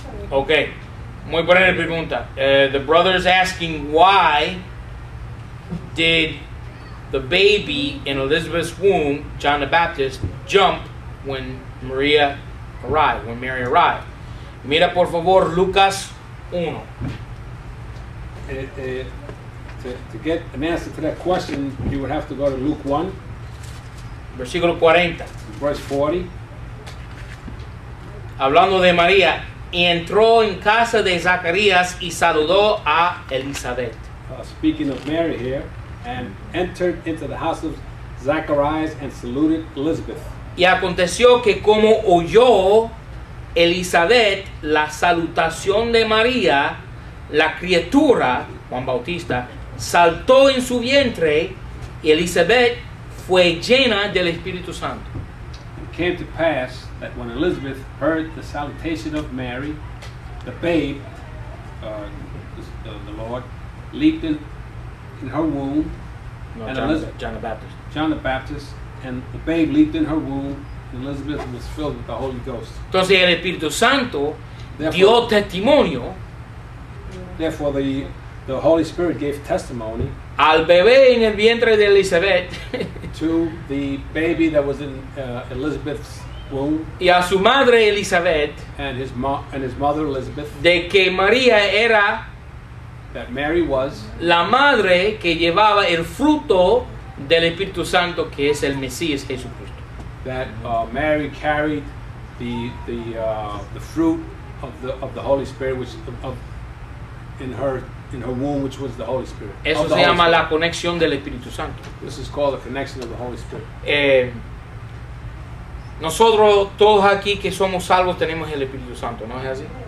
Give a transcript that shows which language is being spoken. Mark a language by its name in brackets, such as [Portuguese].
[Spanish] Okay, muy buena pregunta. [English] The brother is asking, why did the baby in Elizabeth's womb, John the Baptist, jump when Maria arrived, when Mary arrived? [Spanish] Mira, por favor, Lucas 1. [English] To get an answer to that question, you would have to go to Luke 1. [Spanish] Versículo 40. [English] Verse 40. [Spanish] Hablando de María, y entró en casa de Zacarías y saludó a Elizabeth. [English] Speaking of Mary here, and entered into the house of Zacarías and saluted Elizabeth. [Spanish] Y aconteció que como oyó Elizabeth la salutación de María, la criatura, Juan Bautista, saltó en su vientre y Elizabeth fue llena del Espíritu Santo. [English] Came to pass that when Elizabeth heard the salutation of Mary, the babe, the Lord, leaped in her womb. John the Baptist. And the babe leaped in her womb, and Elizabeth was filled with the Holy Ghost. [Spanish] Entonces el Espíritu Santo dio testimonio. [English] Therefore, the Holy Spirit gave testimony [Spanish] al bebé en el vientre de Elizabeth [English] to the baby that was in Elizabeth's womb [Spanish] y a su madre Elizabeth [English] and his mother Elizabeth [Spanish] de que María era [English] that Mary was [Spanish] la madre que llevaba el fruto del Espíritu Santo que es el Mesías Jesucristo. [English] That Mary carried the fruit of the Holy Spirit which in her womb which was the Holy Spirit. [Spanish] Eso se llama la conexión del Espíritu Santo. [English] This is called the connection of the Holy Spirit. [Spanish] Nosotros todos aquí que somos salvos tenemos el Espíritu Santo, ¿no es así?